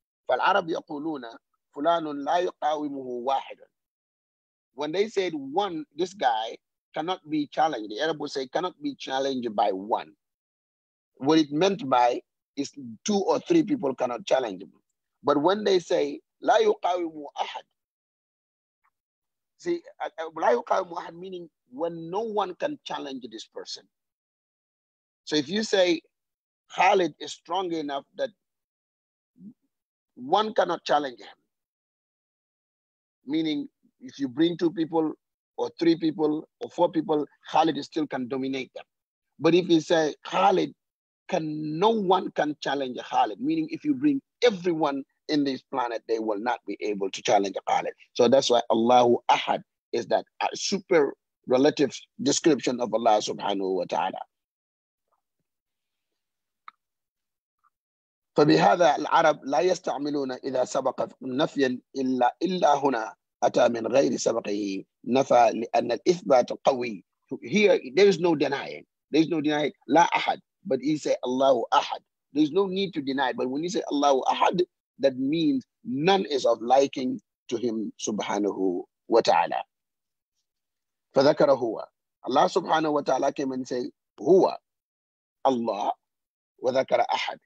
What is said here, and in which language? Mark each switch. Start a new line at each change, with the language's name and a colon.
Arabic: فالعرب يقولون فلان لا يقاومه واحد.
English: When they said one, this guy cannot be challenged. The Arab would say cannot be challenged by one. What it meant by is two or three people cannot challenge him. But when they say
Arabic: لا يقاومه أحد,
English: see, لا يقاومه أحد meaning when no one can challenge this person. So if you say Khalid is strong enough that one cannot challenge him. Meaning, if you bring two people or three people or four people, Khalid still can dominate them. But if you say Khalid, no one can challenge Khalid. Meaning, if you bring everyone in this planet, they will not be able to challenge Khalid. So that's why Allahu Ahad is that a super relative description of Allah subhanahu wa ta'ala.
Arabic: فبهذا العرب لا يستعملون إذا سبق نفيا إلا هنا أتى من غير سبقه نفى لأن الإثبات قوي.
English: Here there is no denying. There is no denying.
Arabic: لا أحد.
English: But he say Allahu Ahad. There is no need to deny. But when he say Allahu Ahad, that means none is of liking to him subhanahu wa ta'ala.
Arabic: فذكر هو.
English: Allah subhanahu wa ta'ala came and say هو Allah
Arabic: وذكر أحد.